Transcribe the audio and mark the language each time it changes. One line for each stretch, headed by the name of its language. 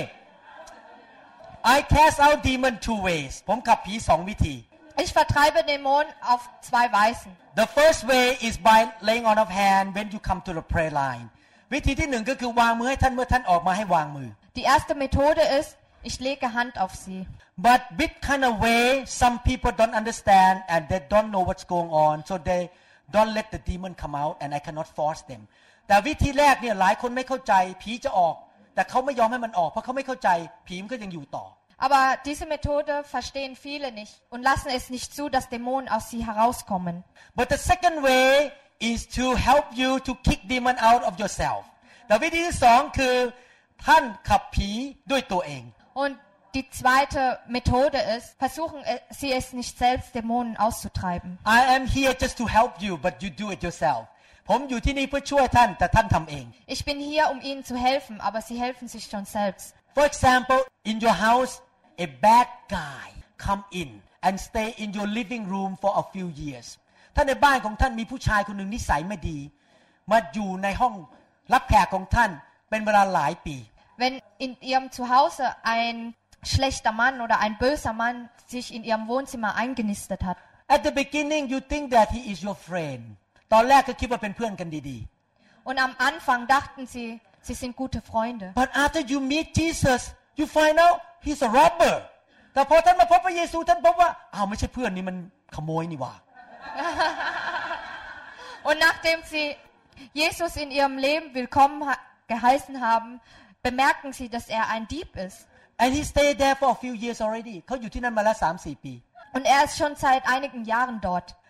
English: Okay. I cast out demon two ways.
Thai: ผมขับผี2วิธี
German: Ich vertreibe Dämonen auf zwei Weisen.
English: The first way is by laying on of hand when you come to the prayer line.
Thai: วิธีที่1ก็คือวางมือให้ท่านเมื่อท่านออกมาให้วางมือ
German: Die erste Methode ist, ich lege Hand auf sie.
English: But which kind of way some people don't understand and they don't know what's going on, so theydon't let the demon come out and I cannot force them
Thai: แต่วิธีแรกเนี่ยหลายคนไม่เข้าใจผีจะออกแต่เขาไม่ยอมให้มันออกเพราะเขาไม่เข้าใจผีมันก็ยังอยู่ต่อ
German: Aber diese Methode verstehen viele nicht und lassen es nicht zu, dass Dämonen aus sie herauskommen.
English: But the second way is to help you to kick demon out of yourself.
Thai: แต่วิธีที่สองคือท่านขับผีด้วยตัวเอง
German: Und die zweite Methode ist, versuchen sie es nicht selbst, Dämonen auszutreiben.
English: I am here just to help you, but you do it yourself.
Thai: ผมอยู่ที่นี่เพื่อช่วยท่านแต่ท่านทำเอง
German: Ich bin hier, um ihnen zu helfen, aber sie helfen sich schon selbst.
English: For example, in your house, a bad guy come in and stay in your living room for a few years.
Thai: ท่านในบ้านของท่านมีผู้ชายคนหนึ่งนิสัยไม่ดีมาอยู่ในห้องรับแขกของท่านเป็นเวลาหลายปี
German: Wenn in ihrem Zuhause ein schlechter Mann oder ein böser Mann sich in ihrem Wohnzimmer eingenistet hat.
English: At the beginning you think that he is your friend.
Thai: ตอนแรกก็คิดว่าเป็นเพื่อนกันดี
German: ๆ Und am Anfang dachten sie sind gute Freunde.
English: But after you meet Jesus, you find out he's a robber.
Thai: แต่พอท่านมาพบพระเยซูท่านพบว่าอ้าวไม่ใช่เพื่อนนี่มันขโมยนี่ว่า
German: Und nachdem sieJesus in ihrem Leben willkommen geheißen haben, bemerken sie, dass er ein Dieb ist.
English: And he stayed there for a few years already.
Thai: เขาอยู่ที่นั่นมาแล้ว 3-4 ปี
German: Und er ist schon seit einigen Jahren dort.